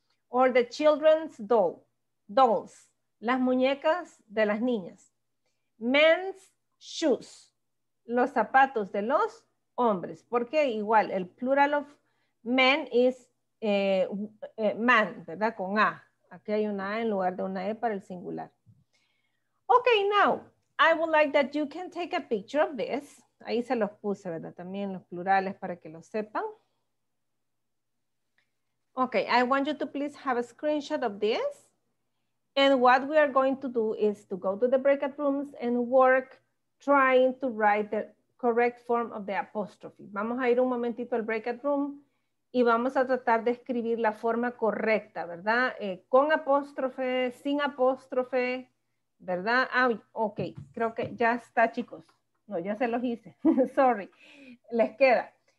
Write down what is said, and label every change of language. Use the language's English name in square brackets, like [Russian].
[English] Or the children's doll, dolls, [Spanish] las muñecas de las niñas. [English] Men's shoes, [Spanish] los zapatos de los hombres. Porque igual, el plural [English] of men is man, [Spanish] ¿verdad? Con A. Aquí hay una A en lugar de una E para el singular. [English] Okay, now, I would like that you can take a picture of this. [Spanish] Ahí se los puse, ¿verdad? También los plurales para que lo sepan. [English] Okay, I want you to please have a screenshot of this. And what we are going to do is to go to the breakout rooms and work trying to write the correct form of the apostrophe. [Spanish] Vamos a ir un momentito al breakout room y vamos a tratar de escribir la forma correcta, ¿verdad? Con apóstrofe, sin apóstrofe, ¿verdad? Ah, okay, creo que ya está, chicos. No, ya se los hice. Sorry. Les queda.